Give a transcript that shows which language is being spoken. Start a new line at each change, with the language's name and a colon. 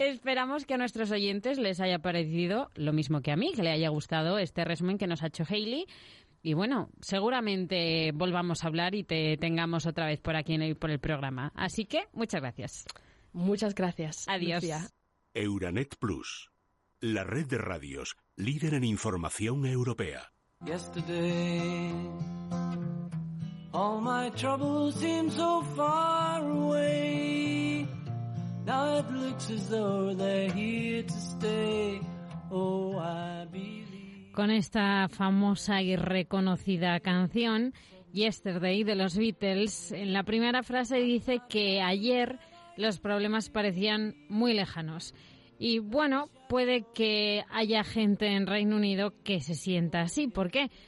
Spanish: Esperamos que a nuestros oyentes les haya parecido lo mismo que a mí, que le haya gustado este resumen que nos ha hecho Hayley. Y bueno, seguramente volvamos a hablar y te tengamos otra vez por aquí en por el programa. Así que, muchas gracias. Muchas gracias. Adiós. Lucía. Euronet Plus, la red de radios líder en información europea.
English: Yesterday, all my troubles seem so far away. Now it looks as though they're here to stay. Oh, I believe.
Spanish: Con esta famosa y reconocida canción, Yesterday, de los Beatles, en la primera frase dice que ayer los problemas parecían muy lejanos. Y bueno, puede que haya gente en Reino Unido que se sienta así. ¿Por qué?